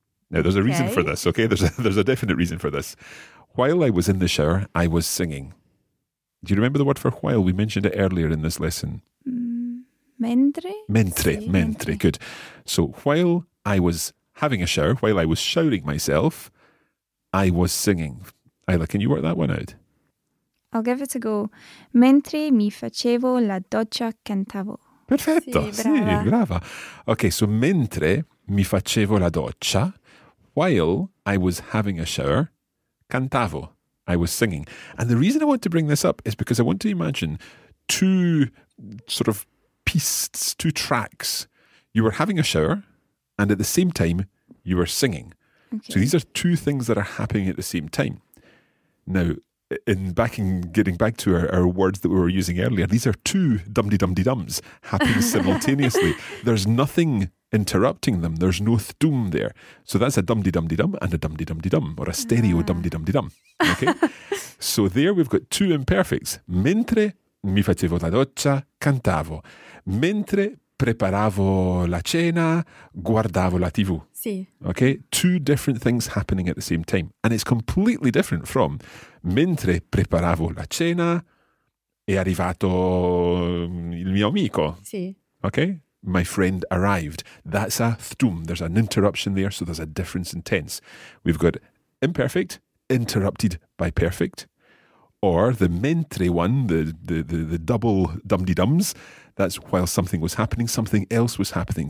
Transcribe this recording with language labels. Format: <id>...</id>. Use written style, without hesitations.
<en>Now, there's a reason for this, okay? There's a definite reason for this. While I was in the shower, I was singing. Do you remember the word for while? We mentioned it earlier in this lesson.</en> <it>Mentre? Mentre, sì, mentre.</it> <en>Good. So while I was having a shower, while I was showering myself, I was singing. Ayla, can you work that one out? I'll give it a go.</en> <it>Mentre mi facevo la doccia, cantavo. Perfetto. Sì, brava. Sì, brava. Okay, so mentre mi facevo la doccia, while I was having a shower, cantavo. I was singing.</it> <en>And the reason I want to bring this up is because I want to imagine two sort of pieces, two tracks. You were having a shower and at the same time you were singing. Okay. So these are two things that are happening at the same time. Now, getting back to our words that we were using earlier, these are two dum-de-dum-de-dums happening simultaneously. There's nothing interrupting them. There's no thdum there. So that's a dum-de-dum-de-dum and a dum-de-dum-de-dum, or a stereo dum-de-dum-de-dum. Okay? So there we've got two imperfects.</en> <it>Mentre mi facevo la doccia, cantavo. Mentre preparavo la cena, guardavo la TV. Sì.</it> <en>Okay, two different things happening at the same time. And it's completely different from</en> <it>mentre preparavo la cena è arrivato il mio amico. Sì.</it> <en>Okay, my friend arrived. That's a thtum. There's an interruption there, so there's a difference in tense. We've got imperfect, interrupted by perfect. Or the mentre one, the double dum-de-dums, that's while something was happening, something else was happening.</en>